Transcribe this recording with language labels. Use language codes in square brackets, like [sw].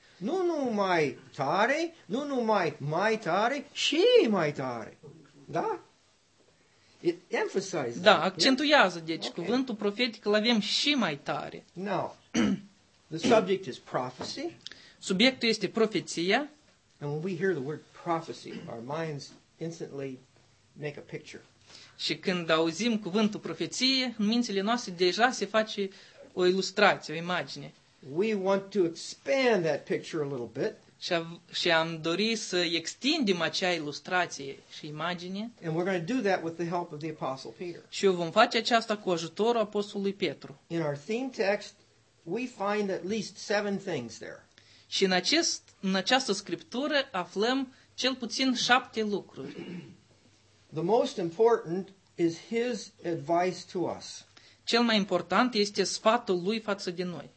[ro] Nu numai tare, nu numai mai tare, și mai tare. [en] Da? It emphasizes. [ro] Da, accentuează, deci, okay. Cuvântul profetic îl avem și mai tare. [en] Now, the subject is prophecy. [ro] Subiectul este profeția. [en] And when we hear the word prophecy, our minds instantly make a picture. [ro] Și când auzim cuvântul profeție, în mințile noastre deja se face o ilustrație, o imagine. [en] We want to expand that picture a little bit. [ro] Și am dori să extindem acea ilustrație și imagine. [en] And we're going to do that with the help of the Apostle Peter. [ro] Și vom face aceasta cu ajutorul Apostolului Petru. [en] In our theme text, we find at least 7 things there. [ro] Și în această scriptură aflăm cel puțin 7 lucruri. [en] The most important is his advice to us. [ro] Cel mai important este sfatul lui față de noi.